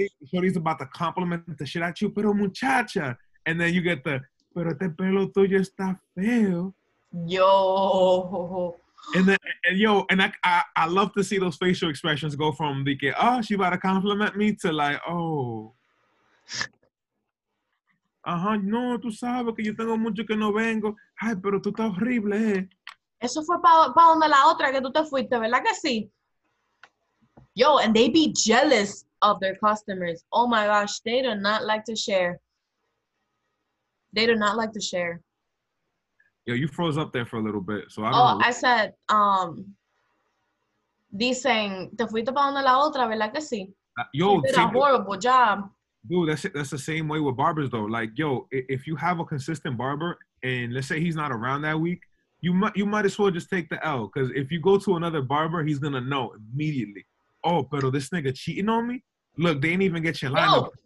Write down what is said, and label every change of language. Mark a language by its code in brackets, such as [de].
[en] Shorty's about to compliment the shit at you, [es] pero muchacha. [en] And then you get the, [es] pero este pelo tuyo está feo. [en] Yo. And I love to see those facial expressions go from the, oh, she about to compliment me, to like, oh. [es] Ajá, no, tú sabes que yo tengo mucho que no vengo. Ay, pero tú estás horrible. Eso fue pa donde la otra que tú te fuiste, ¿verdad que sí? [en] Yo, and they be jealous of their customers. Oh my gosh, they do not like to share. They do not like to share. Yo, you froze up there for a little bit, so I don't know. I said, [es] dicen, te fuiste pa donde la otra, ¿verdad que sí? [en] Yo, did a horrible job. Dude, that's the same way with barbers, though. Like, yo, if you have a consistent barber, and let's say he's not around that week, you might as well just take the L. Because if you go to another barber, he's going to know immediately. Oh, pero this nigga cheating on me? Look, they ain't even get your lineup.